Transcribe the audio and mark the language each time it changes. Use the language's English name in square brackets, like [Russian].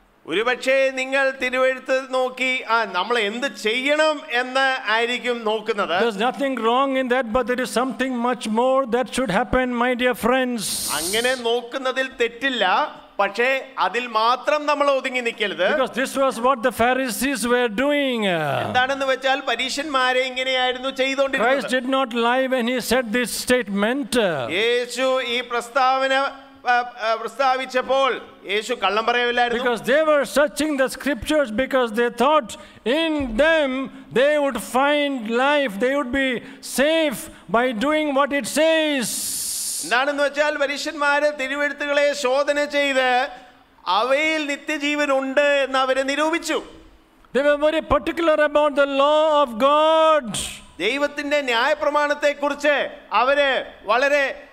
[Malayalam] ഒരുപക്ഷേ നിങ്ങൾ തിരുവെഴുത്ത് നോക്കി നമ്മൾ എന്ത് ചെയ്യണം എന്ന് ആയിരിക്കും നോക്കുന്നത്. [English] There's nothing wrong in that, but there is something much more that should happen, my dear friends. [Malayalam] അങ്ങനെ നോക്കുന്നതിൽ തെറ്റില്ല, പക്ഷേ അതിൽ മാത്രം നമ്മൾ ഒതുങ്ങി നിൽക്കരുത്. [English] Because this was what the Pharisees were doing. [Malayalam] എന്താണെന്ന് വെച്ചാൽ പരീശന്മാരെ ഇങ്ങനെയായിരുന്നു ചെയ്തുകൊണ്ടിരുന്നത്. [English] Christ did not lie when he said this statement. [Malayalam] യേശു ഈ പ്രസ്താവന പ്രസ്താവിച്ചപ്പോൾ യേശു കള്ളം പറയില്ലായിരുന്നു. [English] Because they were searching the scriptures because they thought in them they would find life, they would be safe by doing what it says. [Malayalam] എന്താണെന്ന് വെച്ചാൽ പരീശന്മാരെ തിരുവെഴുത്തുകളെ ശോധന ചെയ്ത് അവയിൽ നിത്യജീവൻ ഉണ്ട് എന്ന് അവരെ നിരൂപിച്ചു. [English] They were very particular about the law of God. [Malayalam] ദൈവത്തിന്റെ ന്യായ പ്രമാണത്തെ കുറിച്ച് അവര് വളരെ